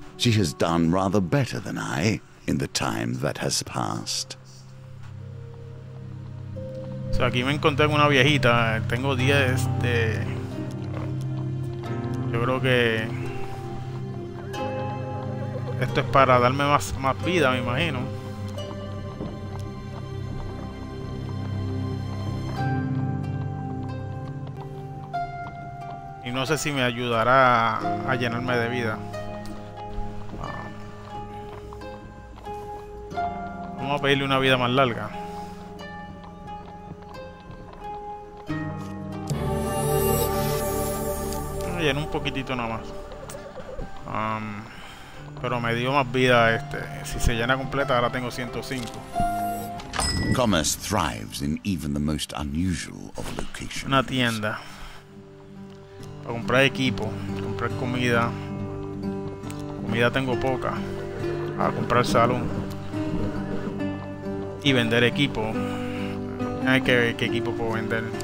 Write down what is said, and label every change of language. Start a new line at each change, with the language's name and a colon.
English: She has done rather better than I in the time that has passed.
Spanish: So aquí me encontré con una viejita. Tengo 10 de. Yo creo que esto es para darme más vida, me imagino. Y no sé si me ayudará a llenarme de vida. Vamos a pedirle una vida más larga. Me llenó un poquitito nada más. Pero me dio más vida este. Si se llena completa, ahora tengo 105.
English: Commerce thrives in even the most unusual of locations.
Spanish: Una tienda. A comprar equipo, a comprar comida. Comida tengo poca. A comprar salón. Y vender equipo. Hay que ver qué equipo puedo vender.